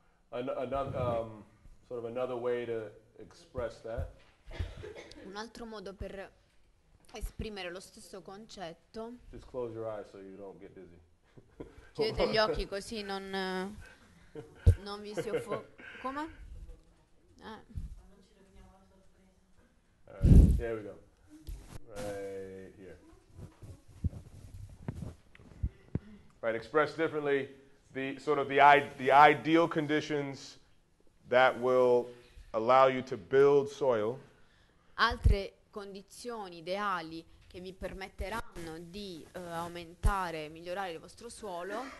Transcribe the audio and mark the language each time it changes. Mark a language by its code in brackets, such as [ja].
[en] Sort of another way to express that. [it] Un altro modo per esprimere lo stesso concetto. [en] Just close your eyes so you don't get dizzy. [it] Chiudete gli occhi così non non vi si offuscate. Come? [en] Alright, there we go. Right here. Right, express differently. The ideal conditions that will allow you to build soil. [it] Altre condizioni ideali che vi permetteranno di aumentare, migliorare il vostro suolo.